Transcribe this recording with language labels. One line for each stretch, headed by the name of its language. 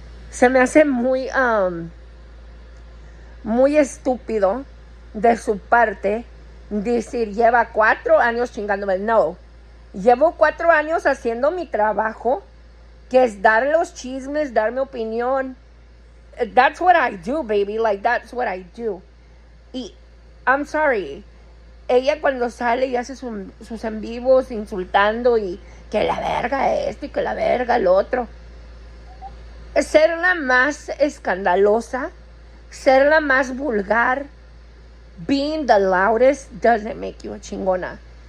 Spanish: Se me hace muy, muy estúpido de su parte decir, lleva 4 años chingándome. No, llevo 4 años haciendo mi trabajo, que es dar los chismes, dar mi opinión.
English: That's what I do, baby, like, that's what I do. Y I'm sorry.
Spanish: Ella cuando sale y hace sus en vivos insultando y que la verga esto y que la verga el otro. Ser la más escandalosa, ser la más vulgar,
English: being the loudest doesn't make you a
Spanish: chingona.